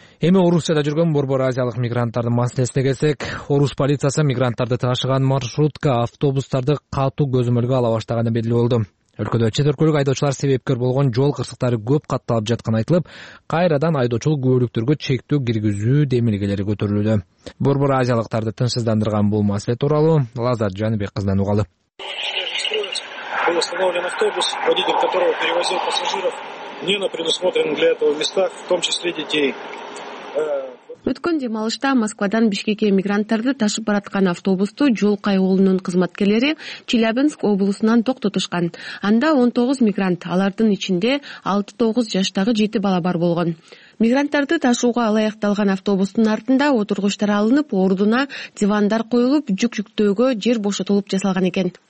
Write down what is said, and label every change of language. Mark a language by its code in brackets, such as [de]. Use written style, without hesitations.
[ky] Эми Орусияда жүргөн борбор азиялык мигранттардын маселесине келсек, Орус полициясы мигранттарды ташыган маршрутка автобустарды катуу көзөмөлгө ала баштаганы белгилүү болду. Өлкөдө чет өлкөлүк айдоочулар себепкер болгон жол кырсыктары көп катталып жатканы айтылып, кайрадан айдоочулук күбөлүктөргө чектөө киргизүү демилгелери көтөрүлүүдө. Борбор азиялыктарды тынчсыздандырган бул маселе тууралуу Лазар Жаныбек кызынан угалы. [ru] Был установлен автобус, водитель которого перевозил пассажиров не на предусмотренных для этого местах, в том числе детей. [ky] Өткөн демалышта Москвадан Бишкекке мигранттарды ташып бараткан автобусту жол кайгоолунун кызматкерлери Челябинск облусунан токтотушкан. Анда 19 мигрант, алардын ичинде 6-9 жаштагы 7 бала бар болгон. Мигранттарды ташууга ылайыкталган автобустун артында отургучтар алынып, ордуна дивандар коюлуп, жүк жүктөөгө жер бошотулуп жасалган экен.